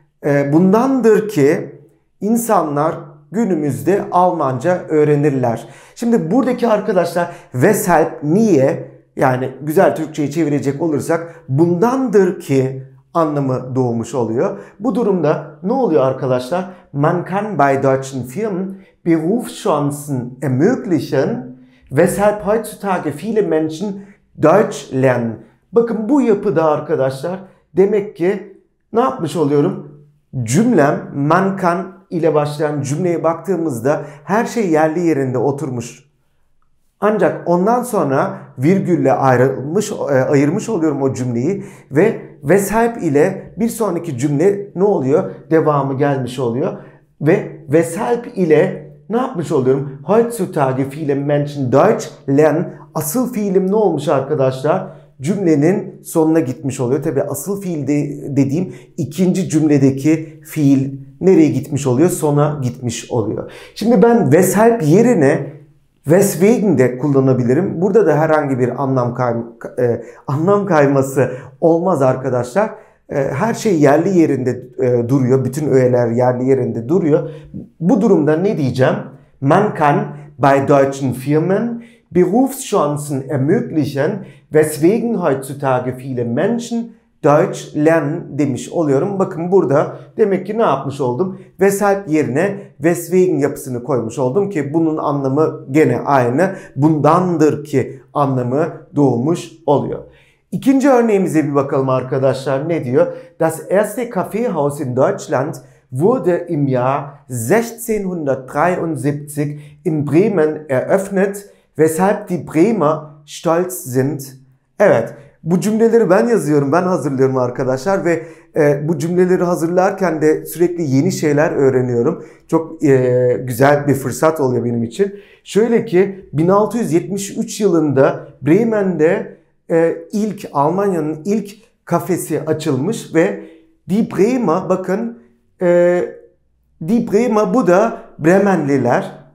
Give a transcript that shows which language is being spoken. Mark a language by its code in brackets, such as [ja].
[tr] Bundandır ki insanlar günümüzde Almanca öğrenirler. Şimdi buradaki arkadaşlar weshalb, niye, yani güzel Türkçe'ye çevirecek olursak bundandır ki anlamı doğmuş oluyor. Bu durumda ne oluyor arkadaşlar? [de] Man kann bei deutschen Firmen Berufschancen ermöglichen, weshalb heutzutage viele Menschen Deutsch lernen. [tr] Bakın bu yapıda arkadaşlar demek ki ne yapmış oluyorum? Cümlem [de] man kann [tr] ile başlayan cümleye baktığımızda her şey yerli yerinde oturmuş. Ancak ondan sonra virgülle ayırmış oluyorum o cümleyi ve weshalb ile bir sonraki cümle ne oluyor? Devamı gelmiş oluyor. Ve weshalb ile ne yapmış oluyorum? [de] Heutzutage viele Menschen Deutsch lernen. [tr] Asıl fiilim ne olmuş arkadaşlar? Cümlenin sonuna gitmiş oluyor. Tabii asıl fiil dediğim ikinci cümledeki fiil nereye gitmiş oluyor? Sona gitmiş oluyor. Şimdi ben weshalb yerine weswegen de kullanabilirim. Burada da herhangi bir anlam kayması olmaz arkadaşlar. Her şey yerli yerinde duruyor. Bütün öğeler yerli yerinde duruyor. Bu durumda ne diyeceğim? [de] Man kann bei deutschen Firmen Berufschancen ermöglichen, weswegen heutzutage viele Menschen Deutsch lernen [tr] demiş oluyorum. Bakın burada demek ki ne yapmış oldum? Weshalb yerine weswegen yapısını koymuş oldum ki bunun anlamı gene aynı. Bundandır ki anlamı doğmuş oluyor. İkinci örneğimize bir bakalım arkadaşlar. Ne diyor? [de] Das erste Kaffeehaus in Deutschland wurde im Jahr 1673 in Bremen eröffnet, weshalb die Bremer stolz sind. [tr] Evet. Bu cümleleri ben yazıyorum, ben hazırlıyorum arkadaşlar ve bu cümleleri hazırlarken de sürekli yeni şeyler öğreniyorum. Çok güzel bir fırsat oluyor benim için. Şöyle ki 1673 yılında Bremen'de ilk, Almanya'nın ilk kafesi açılmış ve [de] Die Bremer, [tr] bakın [de] Die Bremer, [tr] bu da Bremenliler.